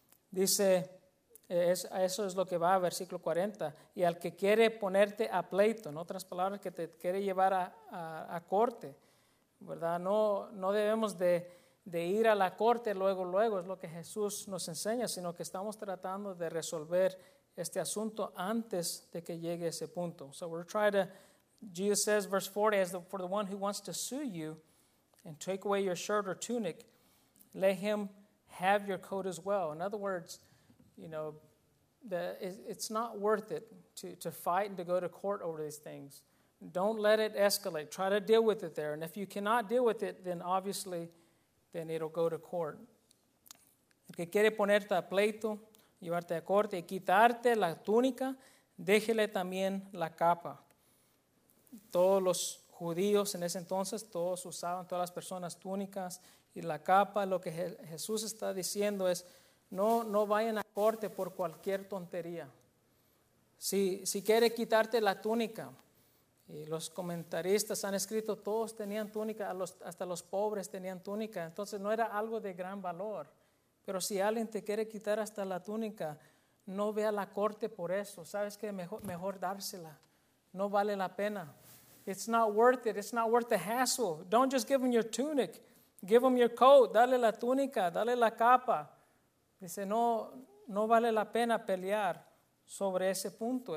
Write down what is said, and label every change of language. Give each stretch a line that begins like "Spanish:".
Spanish: Dice, eso es lo que va a versículo 40, y al que quiere ponerte a pleito, en otras palabras, que te quiere llevar a corte, ¿verdad? No debemos de ir a la corte luego, es lo que Jesús nos enseña, sino que estamos tratando de resolver este asunto antes de que llegue ese punto.
English: So we're trying to, Jesus says, verse 40, as for the one who wants to sue you and take away your shirt or tunic, let him have your coat as well. In other words, you know, it's not worth it to fight and to go to court over these things. Don't let it escalate. Try to deal with it there. And if you cannot deal with it, then obviously, then it'll go to court.
Spanish: El que quiere ponerte a pleito, llevarte a corte y quitarte la túnica, déjele también la capa. Todos los judíos en ese entonces, todos usaban, todas las personas, túnicas. Y la capa, lo que Jesús está diciendo es, no vayan a corte por cualquier tontería. Si quiere quitarte la túnica, y los comentaristas han escrito, todos tenían túnica, hasta los pobres tenían túnica, entonces no era algo de gran valor. Pero si alguien te quiere quitar hasta la túnica, no ve a la corte por eso. ¿Sabes qué? Mejor dársela. No vale la pena.
English: It's not worth it. It's not worth the hassle. Don't just give them your tunic. Give them your coat,
Spanish: dale la túnica, dale la capa. Dice, no vale la pena pelear sobre ese punto.